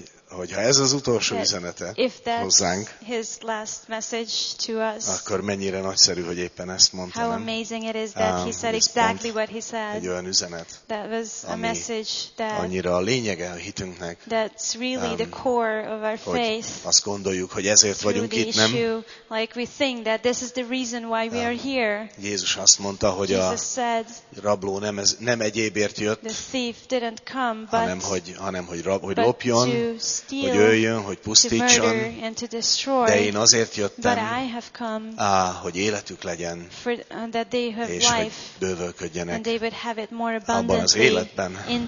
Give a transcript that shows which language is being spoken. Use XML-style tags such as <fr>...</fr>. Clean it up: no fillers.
<hu>hogy ha ez az utolsó üzenete hozzánk,</hu> <en>his last message to us,</en> <hu>akkor mennyire nagyszerű, hogy éppen ezt mondta.</hu> <en>How amazing it is that he said exactly what he said.</en> <hu>Egy olyan üzenet.</hu> <en>That was a message that</en> <hu>annyira a lényege a hitünknek.</hu> <en>That's really the core of our faith.</en> <hu>Azt gondoljuk, hogy ezért vagyunk itt, nem?</hu> <en>Like we think that this is the reason why we are here.</en> <hu>Jézus azt mondta, hogy a rabló nem egyébért jött.</hu> <en>The thief didn't come, but</en> <hu>hanem hogy lopjon, hogy jöjjön, hogy pusztítson, de én azért jöttem, hogy életük legyen, és hogy bővölködjenek abban az életben.</hu>